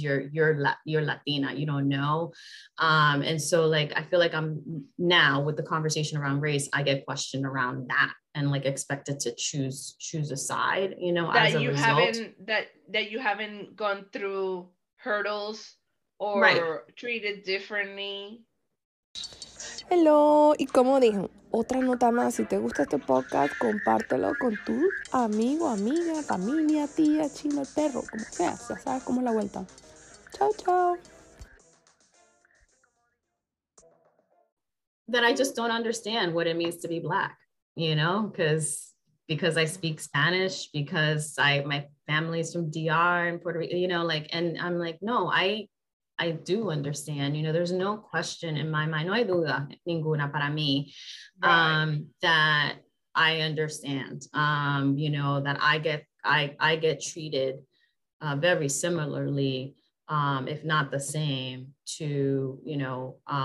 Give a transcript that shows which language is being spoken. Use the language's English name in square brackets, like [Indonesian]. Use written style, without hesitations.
[English] You're Latina. You don't know. And so like, I feel like I'm now with the conversation around race, I get questioned around that and like expected to choose a side, you know, that as a you result. That you haven't gone through hurdles or right. treated differently. [Spanish] Hello, y como dijo, otra nota más, si te gusta este podcast, compártelo con tu amigo, amiga, familia, tía, chino, perro, como sea, ya sabes cómo es la vuelta. Chao, chao. [English] That I just don't understand what it means to be Black, you know, because because I speak Spanish, because I, my family's from DR and Puerto Rico, you know, like, and I'm like, no, I do understand, you know, there's no question in my mind, [Spanish] no hay duda ninguna para mí, [English] that I understand, you know, that I get treated very similarly, if not the same, to, you know,